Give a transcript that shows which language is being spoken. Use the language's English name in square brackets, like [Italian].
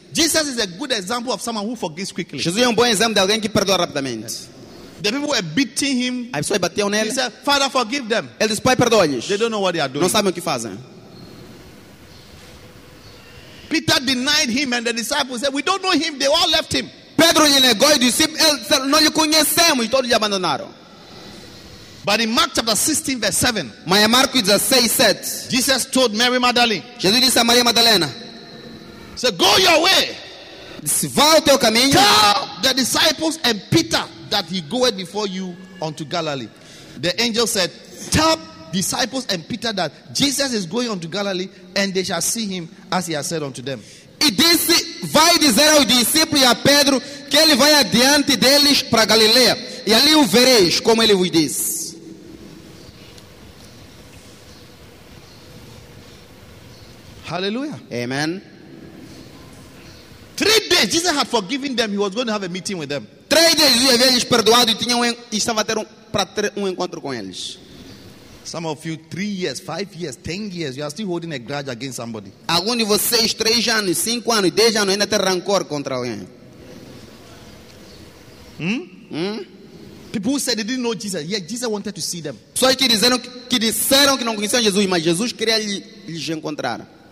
[English] Jesus is a good example of someone who forgives quickly. [Portuguese] Jesus é um bom exemplo de alguém que perdoa rapidamente. [English] Yes. The people were beating him. [Portuguese] Aí foi bater nele. [English] He said, "Father, forgive them." [Portuguese] Ele disse, "Pai, perdoa-lhes." [English] They don't know what they are doing. [Portuguese] Não sabem o que fazem. [English] Peter denied him, and the disciples said, "We don't know him." They all left him. [Portuguese] Pedro lhe negou e disse, "Não lhe conhecemos." E todos lhe abandonaram. [English] But in Mark chapter 16, verse 7, [Portuguese] mas em Marcos 16, 7, [English] Jesus told Mary Magdalene. [Portuguese] Jesus disse a Maria Madalena. [English] So go your way. [Portuguese] Disse, vá o teu caminho. [English] Tell the disciples and Peter that he goeth before you unto Galilee. The angel said, tell disciples and Peter that Jesus is going unto Galilee, and they shall see him as he has said unto them. [Portuguese] E disse, vai dizer ao discípulo e a Pedro que ele vai adiante deles para Galileia, e ali o vereis, como ele vos disse. [English] Hallelujah. Amen. 3 days Jesus had forgiven them. He was going to have a meeting with them. 3 days [Portuguese] Jesus havia lhes perdoado e tinha estava a ter para ter encontro com eles. [English] Some of you 3 years, 5 years, 10 years, you are still holding a grudge against somebody. [Portuguese] Alguns de vocês 3 anos, 5 anos, 10 anos ainda tem rancor contra alguém. [English] People who said they didn't know Jesus, yet Jesus wanted to see them. [Portuguese] Só que dizendo que disseram que não conheciam Jesus, mas Jesus queria lhes encontrar.